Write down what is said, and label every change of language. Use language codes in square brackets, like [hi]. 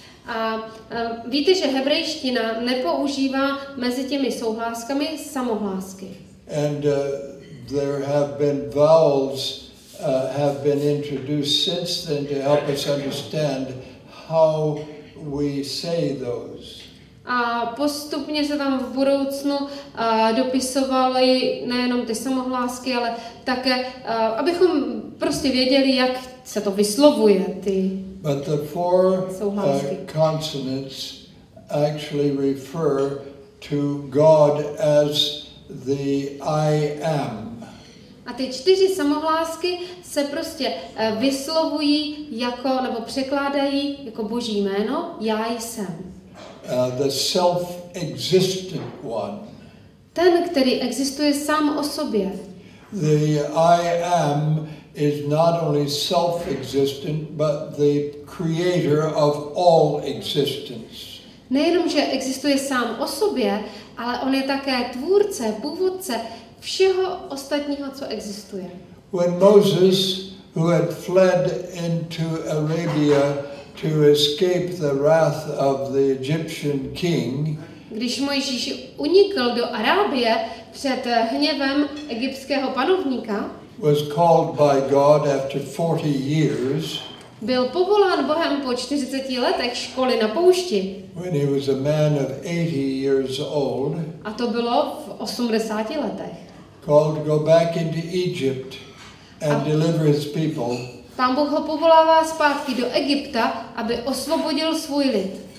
[cs] A víte, že hebrejština nepoužívá mezi těmi souhláskami samohlásky. [en] And there have been vowels have been introduced since then to help us understand how we say those. [cs] A postupně se tam v budoucnu dopisovaly nejenom ty samohlásky, ale také, abychom prostě věděli, jak se to vyslovuje, ty souhlásky. [en] But the four consonants actually refer to God as the I am. [cs] A ty čtyři samohlásky se prostě vyslovují jako, nebo překládají jako Boží jméno, já jsem. [en] The self-existent one. [cs] Ten, který existuje sám o sobě. [en] The I am is not only self-existent, but the creator of all existence. [cs] Nejenom, že existuje sám o sobě, ale on je také tvůrce, původce všeho ostatního, co existuje. [en] When Moses, who had fled into Arabia to escape the wrath of the Egyptian king, [cs] když Mojžíš unikl do Arábie před hněvem egyptského panovníka, [en] was called by God after 40 years, [cs] byl povolán Bohem po 40 letech školy na poušti. [en] When he was a man of 80 years old, [cs] a to bylo v 80 letech. [en] Called to go back into Egypt and deliver his people. [cs] Pán Bůh ho povolává zpátky do Egypta, aby osvobodil svůj lid.